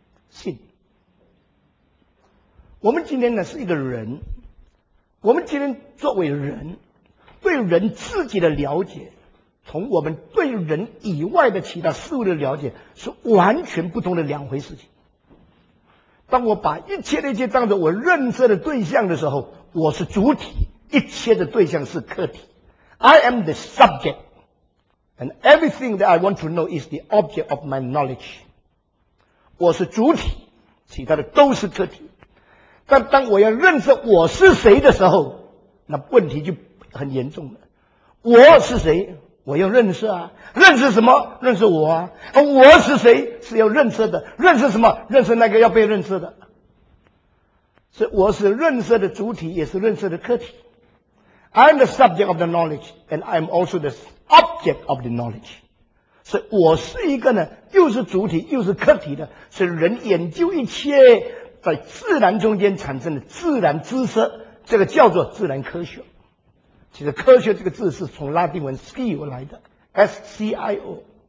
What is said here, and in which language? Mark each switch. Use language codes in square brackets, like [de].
[zh] 信，我们今天呢是一个人，我们今天作为人，对人自己的了解同我们对人以外的其他事物的了解是完全不同的两回事情。当我把一切的一切当作我认识的对象的时候，我是主体，一切的对象是客体。 [en] I am the subject, and everything that I want to know is the object of my knowledge. [zh] 我是主体，其他的都是客体。但当我要认识我是谁的时候，那问题就很严重了。我是谁？我要认识啊。认识什么？认识我啊。我是谁？是要认识的。认识什么？认识那个要被认识的。所以我是认识的主体，也是认识的客体。 [en] I am the subject of the knowledge, and I am also the object of the knowledge. [zh] 所以我是一个呢，又是主体，又是客体的，是人研究一切在自然中间产生的自然知识，这个叫做自然科学。其实科学这个字是从拉丁文 skill 来的 ,S-C-I-O。